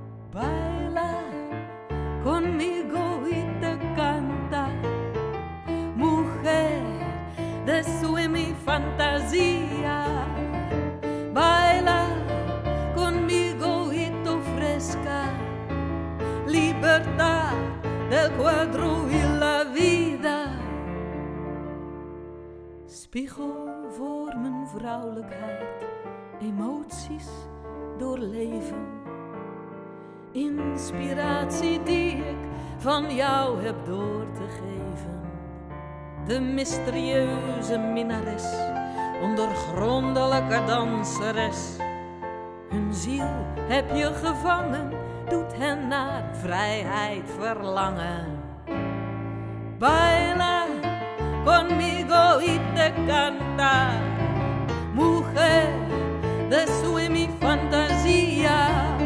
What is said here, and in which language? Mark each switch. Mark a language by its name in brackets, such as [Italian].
[Spanish] Baila conmigo y te canta, mujer de su y mi fantasía. Baila conmigo y te ofrezca libertad del cuadro y la vida. [Dutch] Spiegel voor mijn vrouwelijkheid, emoties doorleven. Inspiratie die ik van jou heb door te geven. De mysterieuze minnares, ondoorgrondelijke danseres. Hun ziel heb je gevangen, doet hen naar vrijheid verlangen. [Spanish] Baila conmigo y te canta, mujer de su y mi fantasía.